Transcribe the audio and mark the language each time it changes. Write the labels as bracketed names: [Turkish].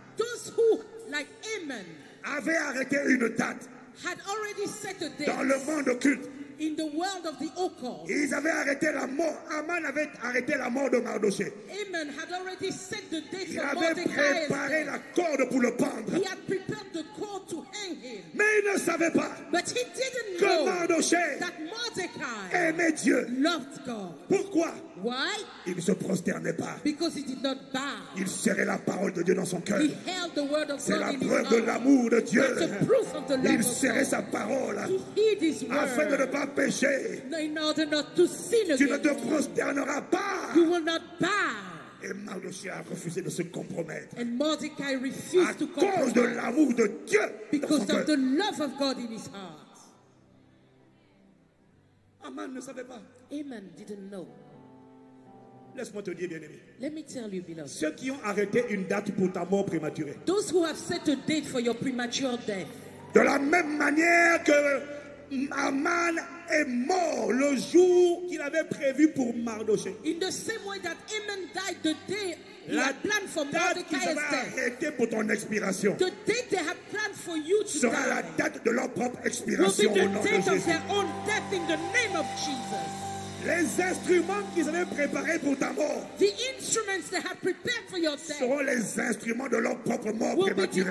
[English] those who, like Aman, [French] avaient arrêté une date [English] had already set a date [French] dans le monde occulte [English] in the world of the occult. [French] Ils avaient arrêté la mort. Haman avait arrêté la mort de Mardoché. [English] Haman had already set the date for Mordecai. [French] Il avait préparé la corde pour le pendre. [English] He had prepared the cord to hang him. [French] Mais il ne savait pas. [English] But he didn't [French] que [English] know [French] Mardoché [English] that Mordecai [French] aimait Dieu. [English] Loved God. [French] Pourquoi? [English] Why? [French] Il ne se prosternait pas. [English] Because he did not bow. [French] Il serrait la parole de Dieu dans son cœur. [English] He held the word of God. [French] C'est la preuve de l'amour de Dieu. [English] That's the proof of the love. [French] Il serrait sa parole. [English] He hid his word. [French] Afin de ne pas pécher. [English] In order not to sin again. [French] Tu ne te prosterneras pas. [English] You will not bow. [French] Et Mardoché a refusé de se compromettre. [English] And Mordecai refused to compromise. [French] À cause de l'amour de Dieu. [English] Because of the love of God in his heart. [French] Haman ne savait pas. [English] Haman didn't know. [French] Laisse-moi te dire, bien-aimé. [English] Let me tell you, beloved. [French] Ceux qui ont arrêté une date pour ta mort prématurée. [English] Those who have set a date for your premature death. [French] De la même manière que Haman est mort le jour qu'il avait prévu pour Mardoché. [English] In the same way that Haman died the day he had planned for Mordecai's death. [French] La date qu'ils avaient arrêtée pour ton expiration. [English] The date they have planned for you to [French] sera [English] die. [French] La date de leur propre expiration au nom de Jésus. [English] Will be the date of their own death in the name of Jesus. [French] Les instruments qu'ils avaient préparés pour ta mort. [English] The instruments they have prepared for your death. [French] Seront les instruments de leur propre mort prématurée.